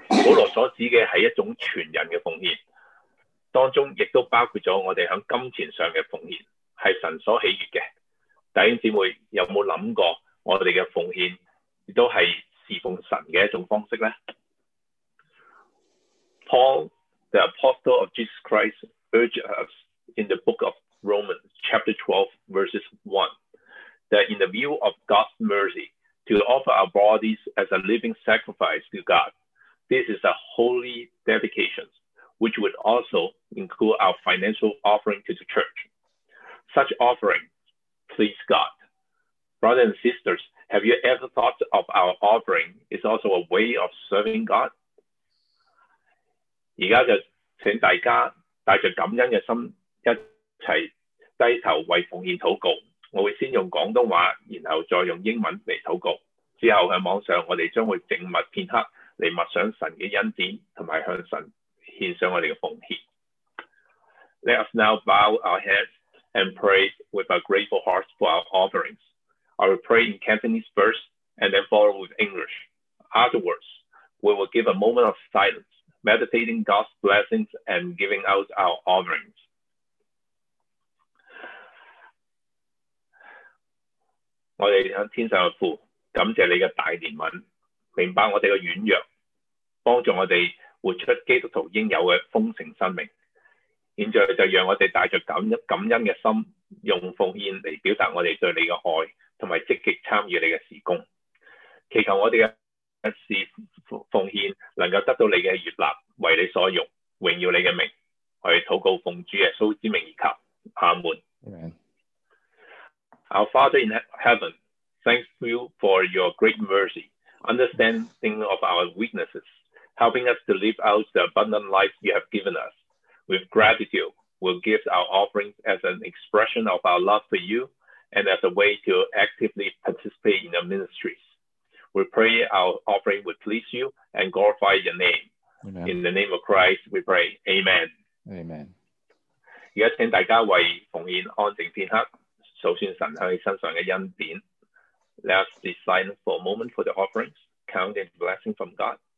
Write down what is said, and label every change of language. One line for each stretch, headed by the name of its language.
Chinese: 保罗所指的是一种全人的奉献，当中亦都包括了我们在金钱上的奉献，是神所喜悦的。弟兄姊妹，有没有想过我们的奉献也都是侍奉神的一种方式呢？
English: Paul, the apostle of Jesus Christ, urged us in the book of Romans, chapter 12, verses 1, that in the view of God's mercy, to offer our bodies as a living sacrifice to God, this is a holy dedication, which would also include our financial offering to the church. Such offering please God. Brothers and sisters, have you ever thought of our offering is also a way of serving God?
Chinese: 现在就请大家带着感恩的心一起低头为奉献祷告。我会先用广东话，然后再用英文来祷告。之后在网上，我们将会静默片刻来默想神的恩典，和向神献上我们的奉献。
English: Let us now bow our heads and pray with a grateful heart for our offerings. I will pray in Cantonese first and then follow with English. Afterwards, we will give a moment of silence, meditating God's blessings and giving out our offerings.
Chinese: 我们向天上的父感谢你的大怜悯，明白我们的软弱，帮助我们活出基督徒应有的丰盛生命。现在就让我们带着感恩的心，用奉献来表达我们对你的爱，以及积极参与你的事工。祈求我们的事奉献能够得到你的悦纳，为你所用，荣耀你的名。我们祷告奉主耶稣之名而求，阿门。
English: Our Father in heaven, thank you for your great mercy, understanding of our weaknesses, helping us to live out the abundant life you have given us. With gratitude, we'll give our offerings as an expression of our love for you and as a way to actively participate in your ministries. We pray our offering would please you and glorify your name. Amen. In the name of Christ, we pray. Amen. Amen.
Chinese: 现在请大家为奉献安静片刻。数算神向你身上的恩典。
English: Let us be silent for a moment for the offerings, counting the blessing from God.